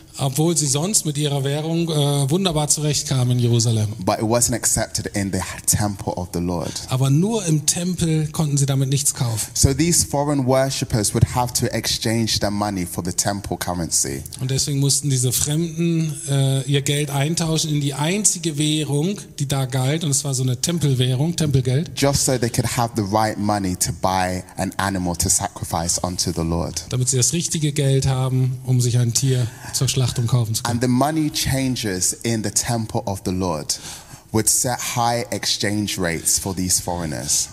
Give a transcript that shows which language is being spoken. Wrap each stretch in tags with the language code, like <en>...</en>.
<de>Obwohl sie sonst mit ihrer Währung wunderbar zurechtkamen in Jerusalem.</de> <en>But it wasn't accepted in the temple of the Lord.</en> <de>Aber nur im Tempel konnten sie damit nichts kaufen.</de> <en>So these foreign worshippers would have to exchange their money for the temple currency.</en> <de>Und deswegen mussten diese Fremden ihr Geld eintauschen in die einzige Währung, die da galt, und es war so eine Tempelwährung, Tempelgeld.</de> <en>Just so they could have the right money to buy an animal to sacrifice unto the Lord.</en> <de>Damit sie das richtige Geld haben, um sich ein Tier zu Schlachtung kaufen zu können.</de> <en>And the money changers in the temple of the Lord would set high exchange rates for these foreigners.</en>